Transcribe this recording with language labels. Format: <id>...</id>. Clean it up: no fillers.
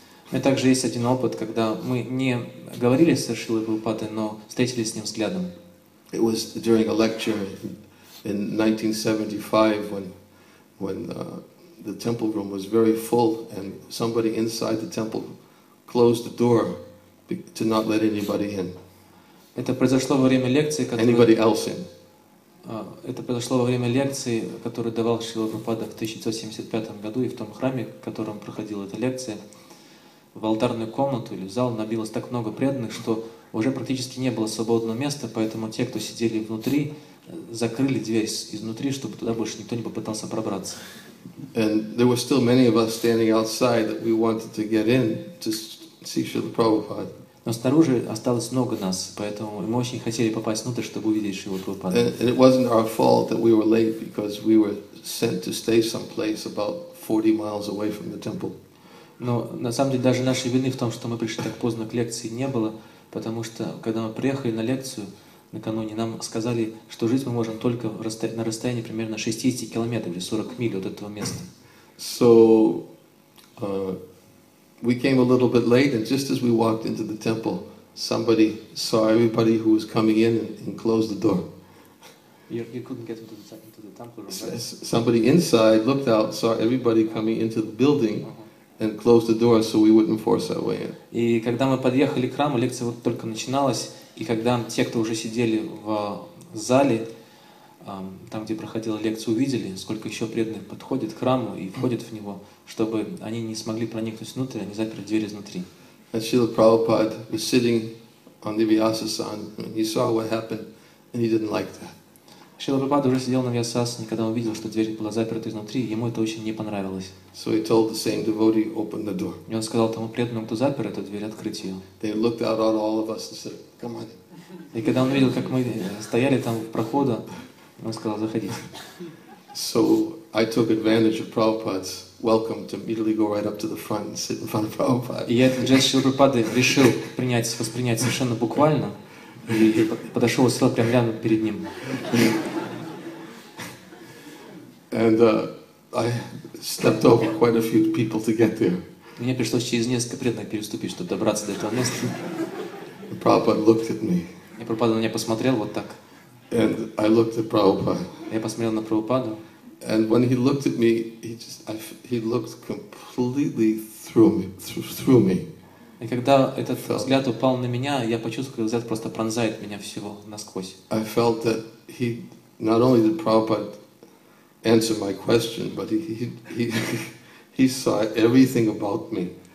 <ru>У меня также есть один опыт, когда мы не говорили с Шрилой Прабхупадой, но встретились с ним взглядом.</ru> <en>It was during a lecture in 1975 when the temple room was very full, and somebody inside the temple closed the door to not let anybody in.</en> <ru>Это произошло во время лекции, которую.</ru> <en>Anybody else in?</en> <ru>Это произошло во время лекции, которую давал Шрила Прабхупада в 1975 году, и в том храме, в котором проходила эта лекция, в алтарную комнату или в зал набилось так много преданных, что уже практически не было свободного места, поэтому те, кто сидели внутри, закрыли дверь изнутри, чтобы туда больше никто не попытался пробраться.</ru> <en>And there were still many of us standing outside that we wanted to get in to see Srila Prabhupada.</en> <ru>Но снаружи осталось много нас, поэтому мы очень хотели попасть внутрь, чтобы увидеть Шрилу Прабхупаду.</ru> <en>And it wasn't our fault that we were late because we were sent to stay someplace about 40 miles away from the temple.</en> <ru>Но на самом деле даже нашей вины в том, что мы пришли так поздно к лекции, не было, потому что когда мы приехали на лекцию накануне, нам сказали, что жить мы можем только на расстоянии примерно 60 километров или 40 миль от этого места.</ru> <en>So we came a little bit late, and just as we walked into the temple, somebody saw everybody who was coming in and closed the door. You couldn't get into the temple room, right? Somebody inside looked out, saw everybody coming into the building, and closed the door so we wouldn't force our way in.</en> <ru>И когда мы подъехали к храму, лекция вот только начиналась, и когда те, кто уже сидели в зале, там, где проходила лекция, увидели, сколько еще преданных подходит к храму и входит в него, чтобы они не смогли проникнуть внутрь, они заперли дверь изнутри.</ru> <en>And Srila Prabhupada was sitting on the Vyasasana, and he saw what happened, and he didn't like that.</en> <ru>Шрила Прабхупада уже сидел на Вьясасане, когда он увидел, что дверь была заперта изнутри, ему это очень не понравилось.</ru> <en>So he told the same devotee, open the door.</en> <ru>И он сказал тому преданному, кто запер эту дверь, открыть ее.</ru> <en>They looked out at all of us and said, come on.</en> <ru>И когда он увидел, как мы стояли там в проходе, он сказал, заходите.</ru> <en>So I took advantage of Prabhupada's welcome to immediately go right up to the front and sit in front of Prabhupada.</en> <ru>И я этот жест Шрила Прабхупады решил воспринять совершенно буквально. И подошел и сел прямо рядом перед ним.</ru> <en>And I stepped over quite a few people to get there.</en> <ru>Мне пришлось через несколько преданных переступить, чтобы добраться до этого места.</ru> <en>And Prabhupada looked at me.</en> <ru>И Прабхупада на меня посмотрел вот так.</ru> <en>And I looked at Prabhupada.</en> <ru>Я посмотрел на Прабхупаду.</ru> <en>And when he looked at me, he looked completely through me.</en> <ru>И когда этот взгляд упал на меня, я почувствовал, как взгляд просто пронзает меня всего насквозь.</ru> <en>I felt that he, not only did Prabhupada answer my question, but he saw everything about me.</en>